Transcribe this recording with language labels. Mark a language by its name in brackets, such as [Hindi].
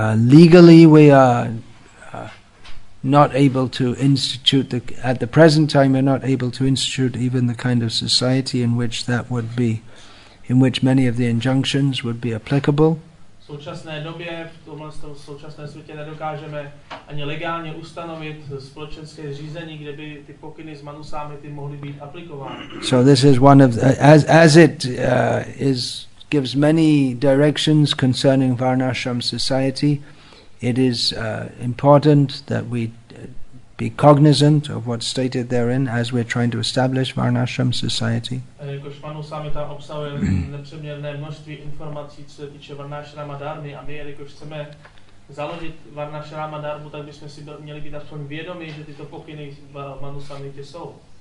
[English] Legally we are not able to institute at the present time we're not able to institute even the kind of society in which that would be, in which many of the injunctions would be applicable. [Czech] V současné době, v tomhle současné světě nedokážeme ani legálně ustanovit společenské řízení, kde by ty pokyny s Manu Samhity mohly být aplikovány. [English] So this is one of the, as it is gives many directions concerning Varnashram society, it is important that we be cognizant of what's stated therein as we're trying to establish Varnashram society. [Czech] Jakož Manu Samhita obsahuje nepřeměrné množství informací, co se týče Varnashrama dharmy, a my, jakož chceme založit Varnashrama dharmu, tak bychom si měli být aspoň vědomi, že tyto pokyny v Manu Samhitě jsou.